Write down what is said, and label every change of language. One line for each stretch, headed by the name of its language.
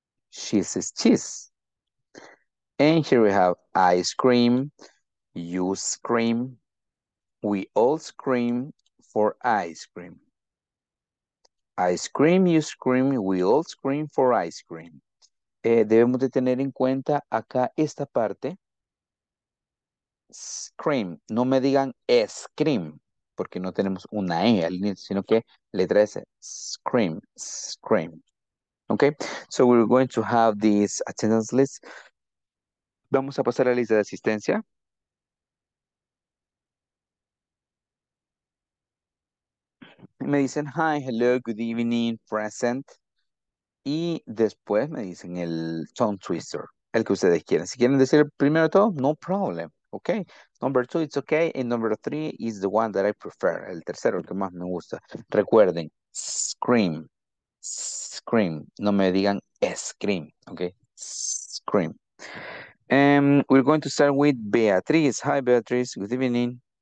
English: She sees cheese. And here we have ice cream. You scream. We all scream for ice cream. Ice cream, you scream, we all scream for ice cream.
Spanish: Debemos de tener en cuenta acá esta parte. Scream. No me digan scream, porque no tenemos una E al inicio, sino que letra S.
English: Scream, scream. Okay? So we're going to have this attendance list.
Spanish: Vamos a pasar a la lista de asistencia. Me dicen
English: hi, hello, good evening, present.
Spanish: Y después me dicen el tongue twister, el que ustedes quieren. Si quieren decir primero todo,
English: no problem. Okay. Number two, it's okay. And number three is the one that I prefer.
Spanish: El tercero, el que más me gusta. Recuerden, scream.
English: Scream.
Spanish: No me digan
English: scream. Okay. Scream. We're going to start with Beatriz. Hi, Beatriz. Good evening.